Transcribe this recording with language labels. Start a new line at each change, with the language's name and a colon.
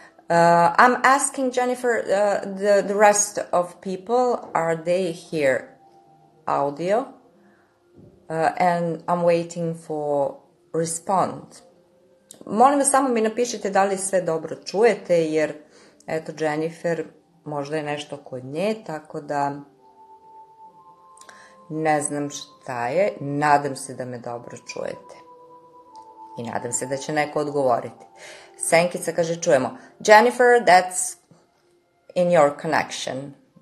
English: I'm asking Jennifer, the rest of people, are they hear audio? And I'm waiting for response.
Serbian: Molim vas, samo mi napišite da li sve dobro čujete, jer... Eto, Jennifer, možda je nešto kod nje, tako da ne znam šta je. Nadam se da me dobro čujete. I nadam se da će neko odgovoriti. Senkica kaže, čujemo.
English: Jennifer, that's in your connection.